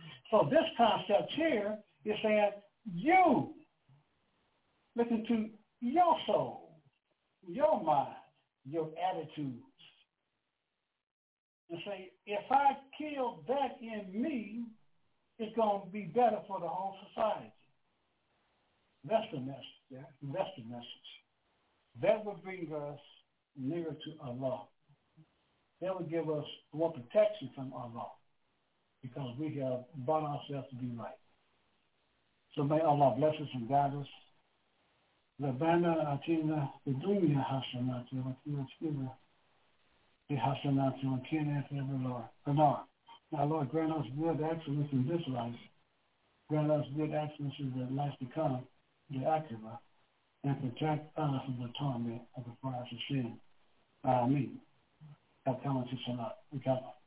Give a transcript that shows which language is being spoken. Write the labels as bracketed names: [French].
[English] So this concept here is saying you look into your soul, your mind, your attitudes, and say, if I kill that in me, it's going to be better for the whole society. That's the message. That's the message. That would bring us nearer to Allah. That would give us more protection from Allah because we have brought ourselves to be right. So may Allah bless us and guide us. [Arabic] ربنا آتنا في الدنيا حسنة وفي الآخرة حسنة وقنا عذاب النار. [English] Now, Lord, grant us good excellence in this life. Grant us good excellence in the life to come, the Akhirah, and protect us from the torment of the fires of sin. Amen. Have come to Salat. We come.